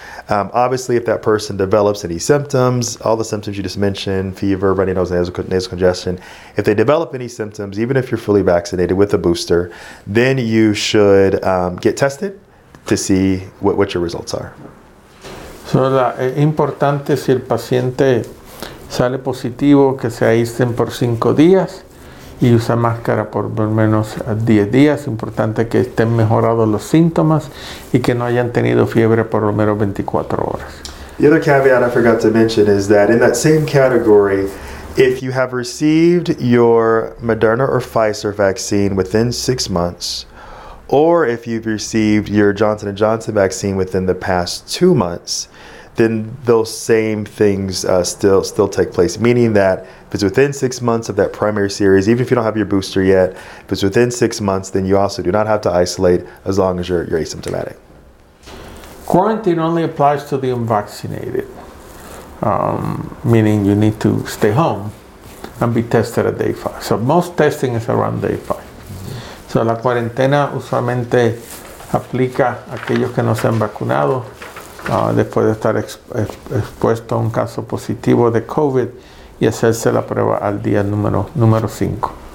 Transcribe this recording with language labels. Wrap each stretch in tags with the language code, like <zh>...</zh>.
<en>Obviously, if that person develops any symptoms, all the symptoms you just mentioned, fever, runny nose, nasal congestion, if they develop any symptoms, even if you're fully vaccinated with a booster, then you should get tested to see what your results are.</en> <es>So, es importante si el paciente sale positivo, que se aísten por 5 días y usa máscara por al menos 10 días. Importante que estén mejorados los síntomas y que no hayan tenido fiebre por lo menos 24 horas.</es> <en>The other caveat I forgot to mention is that in that same category, if you have received your Moderna or Pfizer vaccine within 6 months, or if you've received your Johnson & Johnson vaccine within the past 2 months, then those same things still take place, meaning that if it's within 6 months of that primary series, even if you don't have your booster yet, if it's within 6 months, then you also do not have to isolate as long as you're asymptomatic. Quarantine only applies to the unvaccinated, meaning you need to stay home and be tested at day 5. So most testing is around day 5.</en> <es>So la cuarentena usualmente aplica a aquellos que no se han vacunado, después de estar expuesto a un caso positivo de COVID y hacerse la prueba al día número 5.</es>